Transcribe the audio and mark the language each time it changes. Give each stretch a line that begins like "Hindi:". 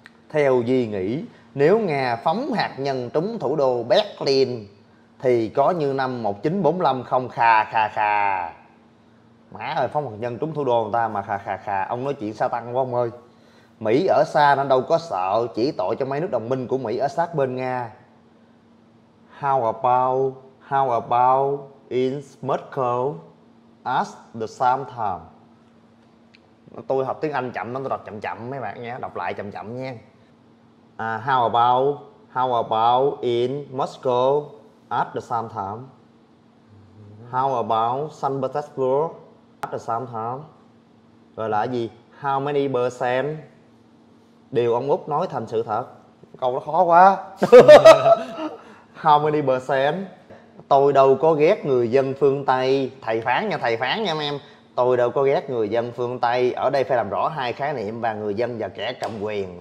Vietnamese: Theo Duy nghĩ, nếu Nga phóng hạt nhân trúng thủ đô Berlin thì có như năm 1945 không? Khà khà khà. Má ơi, phóng hạt nhân trúng thủ đô người ta mà khà khà khà. Ông nói chuyện sa tăng quá ông ơi. Mỹ ở xa nên đâu có sợ, chỉ tội cho mấy nước đồng minh của Mỹ ở sát bên Nga.
English: How about in Moscow at the same time.
Vietnamese: Tôi học tiếng Anh chậm nên tôi đọc chậm chậm mấy bạn nha, đọc lại chậm chậm nha.
English: How about in Moscow at the same time? How about St. Petersburg at the same time?
Vietnamese: Rồi là gì?
English: How many percent?
Vietnamese: Điều ông Úc nói thành sự thật. Câu đó khó quá.
English: How many percent?
Vietnamese: Tôi đâu có ghét người dân phương Tây. Thầy phán nha mấy em. Tôi đâu có ghét người dân phương Tây. Ở đây phải làm rõ hai khái niệm, và người dân và kẻ cầm quyền.